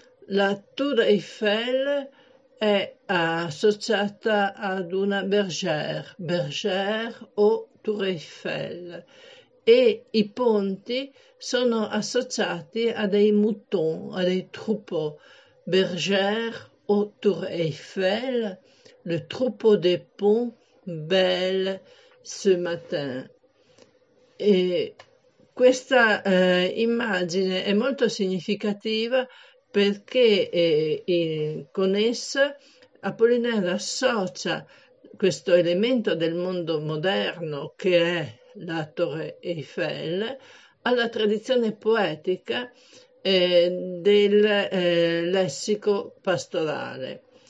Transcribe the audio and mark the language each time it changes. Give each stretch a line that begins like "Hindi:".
Italian: La Tour Eiffel è associata ad una
French: bergère o Tour Eiffel,
Italian: e i ponti sono associati a dei moutons, a dei troupeaux.
French: Bergère o Tour Eiffel, le troupeau des ponts belles ce matin.
Italian: E questa immagine è molto significativa perché con essa Apollinaire associa questo elemento del mondo moderno, che è la Torre Eiffel, alla tradizione poetica del lessico pastorale.